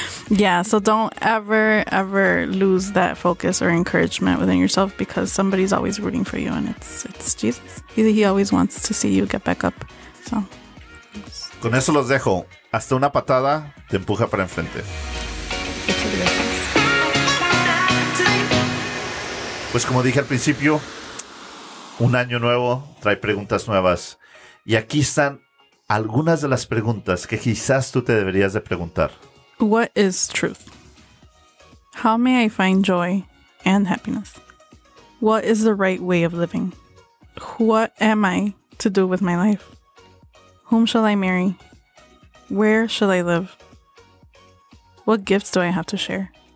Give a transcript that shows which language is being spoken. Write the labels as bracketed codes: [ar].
[en] Yeah, so don't ever, ever lose that focus or encouragement within yourself, because somebody's always rooting for you, and it's Jesus. He always wants to see you get back up. So. [es] Con eso los dejo. Hasta una patada te empuja para enfrente. Pues como dije al principio, un año nuevo trae preguntas nuevas. Y aquí están algunas de las preguntas que quizás tú te deberías de preguntar. [en] What is truth? How may I find joy and happiness? What is the right way of living? What am I to do with my life? Whom shall I marry? Where shall I live? What gifts do I have to share?